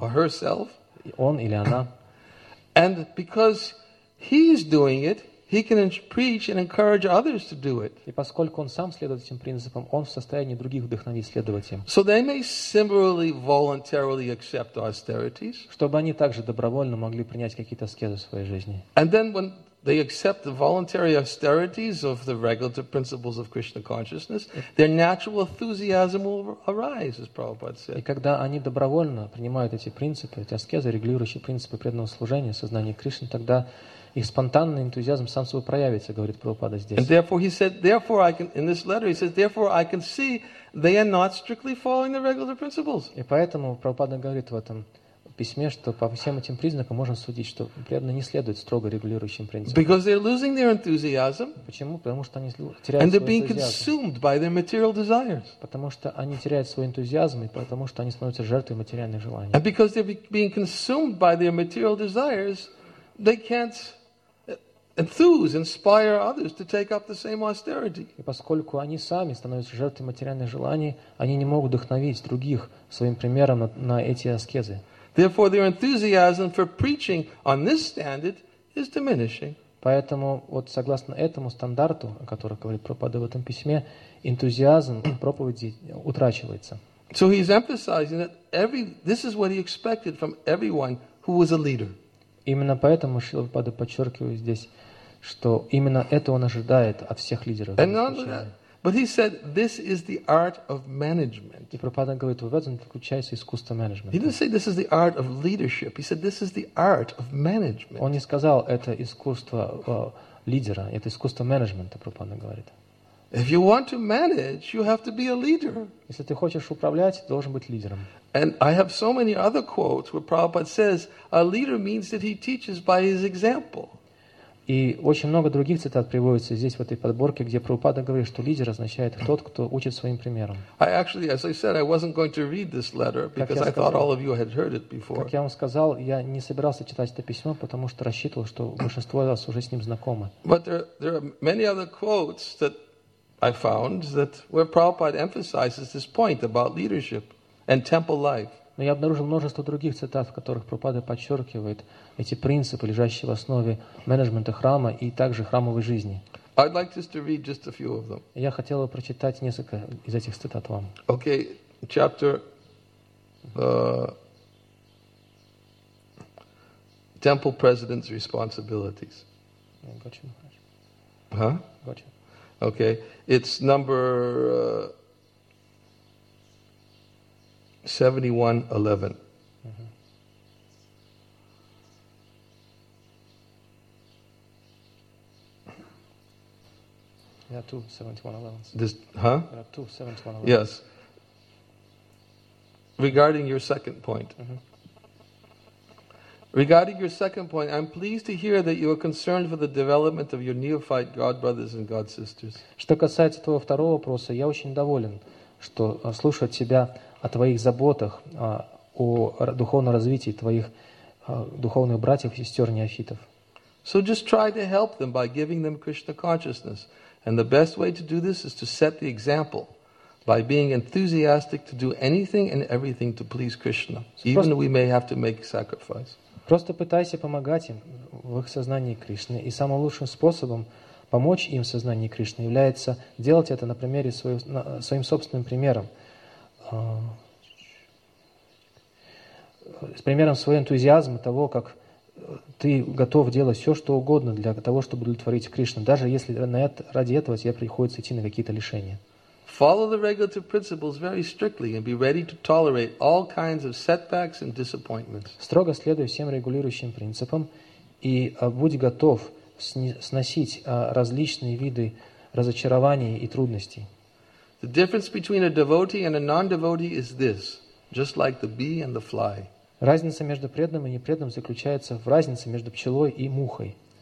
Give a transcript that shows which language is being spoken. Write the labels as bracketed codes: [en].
[en] Or herself. [ru] Он или она. [en] And because he is doing it, he can preach and encourage others to do it. [ru] И поскольку он сам следует этим принципам, он в состоянии других вдохновить следовать им. [en] So they may similarly voluntarily accept austerities. [ru] Чтобы они также добровольно могли принять какие-то аскезы в своей жизни. [en] And then when they accept the voluntary austerities of the regulative principles of Krishna consciousness, their natural enthusiasm will arise, as Prabhupada said. [ru] И когда они добровольно принимают эти принципы, эти аскезы, регулирующие принципы преданного служения, сознания Кришны, тогда И спонтанный энтузиазм сам собой проявится, говорит Прабхупада здесь. [en] And therefore he said, therefore I can, in this letter he says, therefore I can see they are not strictly following the regular principles. [ru] И поэтому Прабхупада говорит в этом письме, что по всем этим признакам можно судить, что преданные не следуют строго регулирующим принципам. [en] Because they're losing their enthusiasm. [ru] Почему? Потому что они теряют свой энтузиазм. [en] And they're being consumed by their material desires. [ru] Потому что они теряют свой энтузиазм и потому что они становятся жертвой материальных желаний. [en] And because they're being consumed by their material desires, they can't enthuse, inspire others to take up the same austerity. [ru] И поскольку они сами становятся жертвой материальных желаний, они не могут вдохновить других своим примером на эти аскезы. [en] Therefore, their enthusiasm for preaching on this standard is diminishing. [ru] Поэтому вот согласно этому стандарту, о котором говорит Прабхупада в этом письме, энтузиазм проповеди утрачивается. [en] So he's emphasizing that this is what he expected from everyone who was a leader. [ru] Именно поэтому Шрила Прабхупада подчеркивает здесь, что именно это он ожидает от всех лидеров. [en] But he said, "This is the art of management." [ru] И Прабхупада говорит, в этом заключается искусство менеджмента. [en] He didn't say this is the art of leadership. He said this is the art of management. [ru] Он не сказал, это искусство лидера, это искусство менеджмента, Прабхупада говорит. [en] If you want to manage, you have to be a leader. [ru] Если ты хочешь управлять, ты должен быть лидером. [en] And I have so many other quotes where Prabhupada says, "A leader means that he teaches by his example." [ru] И очень много других цитат приводится здесь, в этой подборке, где Прабхупада говорит, что лидер означает тот, кто учит своим примером. Как я вам сказал, я не собирался читать это письмо, потому что рассчитывал, что большинство из вас уже с ним знакомы. [en] But there are many other quotes that I found that where Prabhupada emphasizes this point about leadership and temple life. [ru] Но я обнаружил множество других цитат, в которых Прабхупада подчеркивает эти принципы, лежащие в основе менеджмента храма и также храмовой жизни. [en] I'd like just to read just a few of them. [ru] Я хотел бы прочитать несколько из этих цитат вам. [en] Okay, chapter Temple President's Responsibilities. Gotcha. Okay, it's number 71:11. Yeah, 2:71:11. This, huh? Yeah, 2:71:11. Yes. Regarding your second point. Regarding your second point, I'm pleased to hear that you are concerned for the development of your neophyte god brothers and god sisters. [ru] Что касается твоего второго вопроса, я очень доволен, что слушаю от тебя о твоих заботах, о духовном развитии твоих духовных братьев и сестер неофитов. [en] So just try to help them by giving them Krishna consciousness. And the best way to do this is to set the example by being enthusiastic to do anything and everything to please Krishna, even we may have to make sacrifice. [ru] Просто пытайся помогать им в их сознании Кришны. И самым лучшим способом помочь им в сознании Кришны является делать это на примере своим собственным примером. С примером своего энтузиазма того, как ты готов делать все, что угодно для того, чтобы удовлетворить Кришну, даже если ради этого тебе приходится идти на какие-то лишения. [en] Follow the regulative principles very strictly and be ready to tolerate all kinds of setbacks and disappointments. [ru] Строго следуй всем регулирующим принципам и будь готов сносить различные виды разочарований и трудностей. [en] The difference between a devotee and a non-devotee is this, just like the bee and the fly. [ru] Разница между преданным и непреданным заключается в разнице между пчелой и мухой.